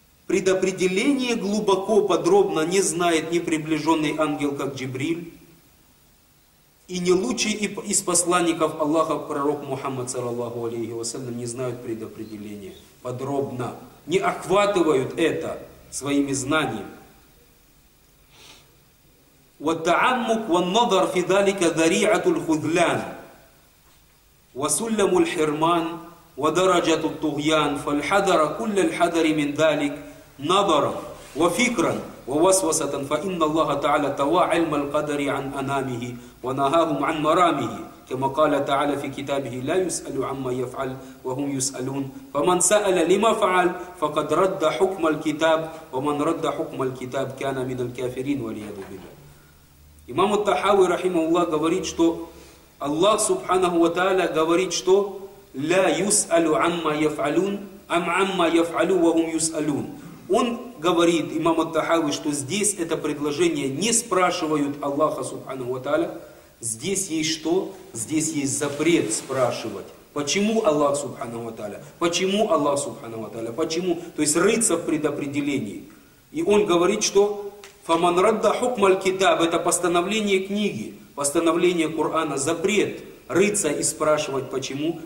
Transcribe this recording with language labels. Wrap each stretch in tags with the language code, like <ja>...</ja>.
<ru>Предопределение глубоко, подробно не знает ни приближенный ангел, как Джибриль, и не лучший из посланников Аллаха, пророк Мухаммад, саллаллаху алейхи ва саллям, не знают предопределение подробно, не охватывают это своими знаниями.</ru> <ar>وَالتَعَمُّكْ وَالنَّظَرْ فِي ذَلِكَ ذَرِيعَةُ الْخُذْلَانِ وَسُلَّمُ الْحِرْمَانِ وَدَرَجَةُ الطُّغْيَانِ فَالْحَذَرَ كُلَّ الْحَذَرِ مِنْ ذَلِكَ نظرا وفكرا ووسوسة فإن الله تعالى توا علم القدر عن أنامه ونهاهم عن مرامه كما قال تعالى في كتابه لا يسأل عما يفعل وهم يسألون فمن سأل لما فعل فقد رد حكم الكتاب ومن رد حكم الكتاب كان من الكافرين والعياذ بالله. إمام الطحاوي رحمه الله</ar> <ru>говорит, что</ru> <ar>الله سبحانه وتعالى говорит, что لا يسأل عما يفعلون أم عما يفعلوا وهم يسألون.</ar> <ru>Он говорит, имам ат-Тахави, что здесь это предложение не спрашивают Аллаха, субхану ва тааля. Здесь есть что? Здесь есть запрет спрашивать. Почему Аллах, субхану ва тааля? Почему Аллах, субхану ва тааля? Почему? То есть рыться в предопределении. И он говорит, что «Фаман радда хукм аль-китаб» – это постановление книги, постановление Корана, запрет рыться и спрашивать, почему?</ru>